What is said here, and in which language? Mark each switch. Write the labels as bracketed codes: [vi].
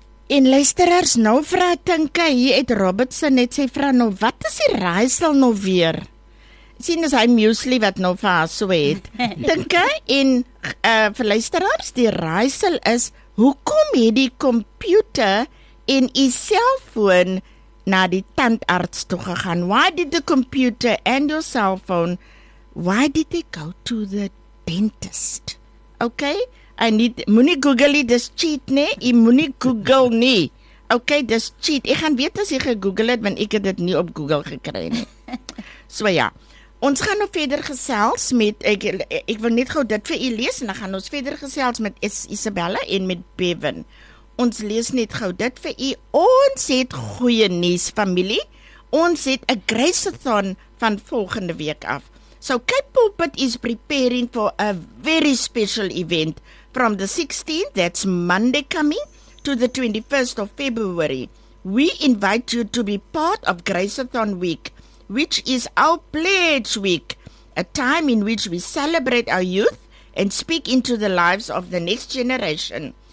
[af] En luisterers, nou vra Tinka, hier het Robertson net sê, vra nou, wat is die raaisel nou weer? Sien, is hy muesli wat nou vir haar so het. Tinka, en vir luisterers, die raaisel is, hoekom het die computer en die cellphone na die tandarts toe gegaan? [en] Why did the computer and your cellphone, why did they go to the dentist? [af] Okay? Moenie Google nie, dis cheat nie. Jy moenie Google nie. Ok, dis cheat. Ek gaan weet as jy gegoogle het, want ek het dit nie op Google gekry nie. So ja, ons gaan nou verder gesels met, ek wil net gauw dit vir jy lees, en dan gaan ons verder gesels met Isabella en met Bevan. Ons lees net gauw dit vir jy. Ons het goeie nuus, familie. Ons het a Grace-a-thon van volgende week af. [en] So Cape Pulpit is preparing for a very special event from the 16th, that's Monday coming, to the 21st of February. We invite you to be part of Grace-a-thon Week, which is our Pledge Week, a time in which we celebrate our youth and speak into the lives of the next generation.